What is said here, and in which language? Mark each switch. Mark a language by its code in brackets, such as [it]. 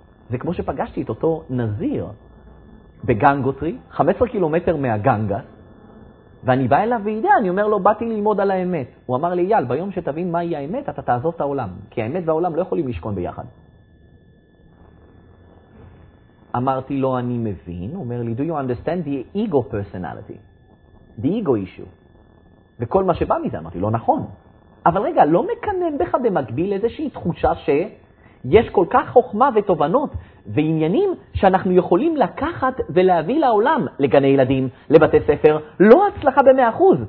[he] זה כמו שפגשתי את אותו נזיר בגנגוטרי, 15 קילומטר מהגנגה, ואני בא אליו וידע, אני אומר לו, באתי ללמוד על האמת. הוא אמר לי, יאל, ביום שתבין מהי האמת, אתה תעזוב את העולם. כי האמת והעולם לא יכולים לשכון ביחד. אמרתי לו, אני מבין. הוא אומר לי, [en] do you understand the ego personality? The ego issue. [he] וכל מה שבא מזה, אמרתי, לא נכון. אבל רגע, לא מקנן בך במקביל איזושהי תחושה שיש כל כך חוכמה ותובנות ועניינים שאנחנו יכולים לקחת ולהביא לעולם, לגני ילדים, לבתי ספר, לא הצלחה ב-100%.